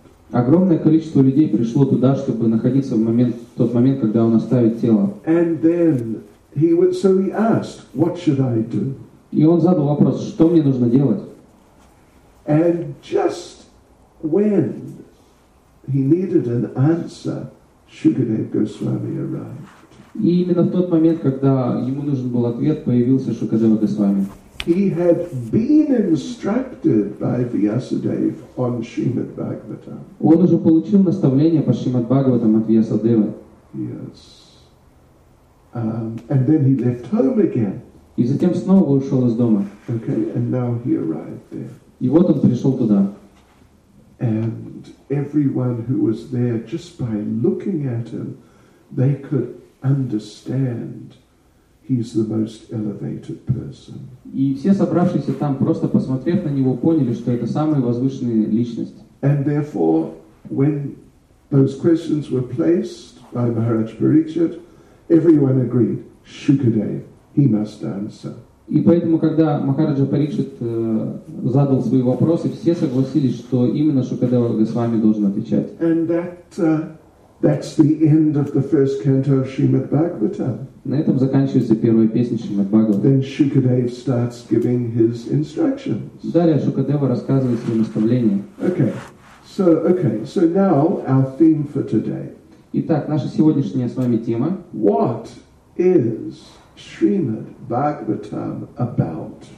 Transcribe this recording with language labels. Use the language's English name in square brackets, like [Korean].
[Russian] Огромное количество людей пришло туда, чтобы находиться в тот момент, когда он оставит тело. И он задал вопрос, что мне нужно делать? [English] And just when he needed an answer, Shukadev Goswami arrived. [Russian] И именно в тот момент, когда ему нужен был ответ, появился Шукадева Госвами. [English] He had been instructed by Vyasadeva on Srimad Bhagavatam. [Russian] Он уже получил наставление по Шримад Бхагаватам от Вьясадевы. [English] Yes. And then he left home again. [Russian] И затем снова ушел из дома. [English] Okay, and now he arrived there. [Russian] И вот он пришел туда. [English] And everyone who was there, just by looking at him, they could understand he's the most elevated person. [Russian] И все собравшиеся там, просто посмотрев на него, поняли, что это самая возвышенная личность. [English] And therefore, when those questions were placed by Maharaj Parikshit, everyone agreed, Shukadev, he must answer. [Russian] И поэтому, когда Махараджа Парикшит задал свои вопросы, все согласились, что именно Шукадева Госвами должен отвечать. [English] And that's the end of the first canto of Srimad Bhagavatam. [Russian] На этом заканчивается первая песня Шримад Бхагаватам. [English] Then Shukadev starts giving his instructions. [Russian] Далее Шукадева рассказывает свои наставления. [English] Okay, so now our theme for today. [Russian] Итак, наша сегодняшняя с вами тема. [English] What is Srimad Bhagavatam about?